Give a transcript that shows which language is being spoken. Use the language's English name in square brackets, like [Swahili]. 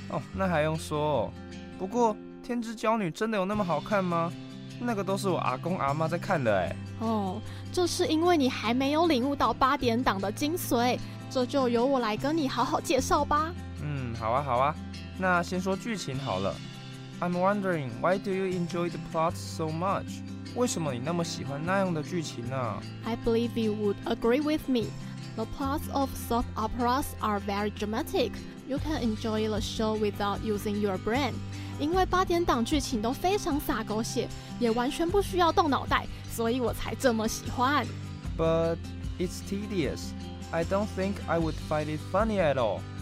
[Chinese] 哦，那还用说？不过《天之驕女》天之驕女真的有那么好看吗？那个都是我阿公阿嬤在看的哎。哦，这是因为你还没有领悟到八点档的精髓，这就由我来跟你好好介绍吧。嗯，好啊好啊，那先说剧情好了。 [English] I'm wondering, why do you enjoy the plot so much? [Chinese] 为什么你那么喜欢那样的剧情呢？ [English] I believe you would agree with me. The plots of soap operas are very dramatic. You can enjoy the show without using your brain. [Chinese] 因为八点档剧情都非常洒狗血，也完全不需要动脑袋，所以我才这么喜欢。 [English] But it's tedious. I don't think I would find it funny at all.